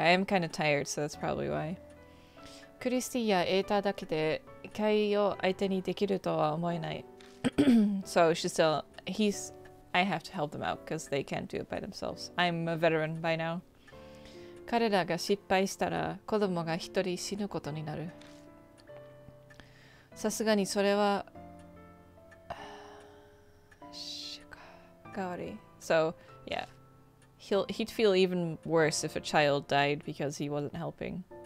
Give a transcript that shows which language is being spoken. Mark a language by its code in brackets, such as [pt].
[en] I am kind of tired, so that's probably why. [ja] クリスティやエーターだけで怪を相手にできるとは思えない。 [en] So she's still, I have to help them out because they can't do it by themselves. I'm a veteran by now. [ja] 彼らが失敗したら子供が一人死ぬことになる。さすがにそれは、 [en] So, yeah, he'd feel even worse if a child died because he wasn't helping.